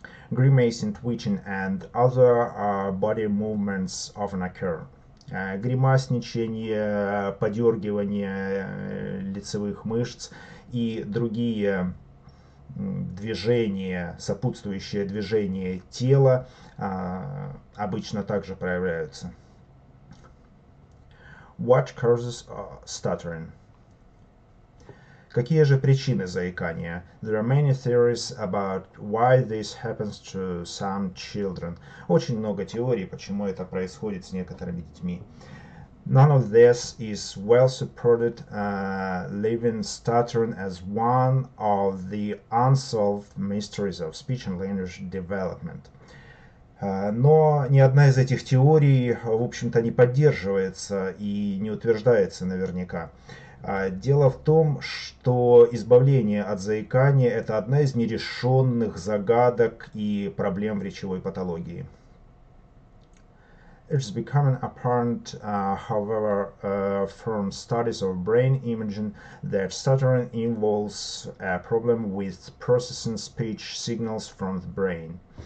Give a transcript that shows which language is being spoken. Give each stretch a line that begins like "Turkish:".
English: Grimacing, twitching and other body movements often occur.
Russian: Гримасничание, подергивание лицевых мышц и другие движения, сопутствующие движения тела, обычно также проявляются.
English: What causes stuttering?
Russian: Какие же причины заикания?
English: There are many theories about why this happens to some children.
Russian: Очень много теорий, почему это происходит с некоторыми детьми.
English: None of this is well supported, leaving stuttering as one of the unsolved mysteries of speech and language development.
Russian: Но ни одна из этих теорий, в общем-то, не поддерживается и не утверждается наверняка. Дело в том, что избавление от заикания – это одна из нерешенных загадок и проблем в речевой патологии.
English: It's becoming apparent, however, from studies of brain imaging that stuttering involves a problem with processing speech signals from the brain.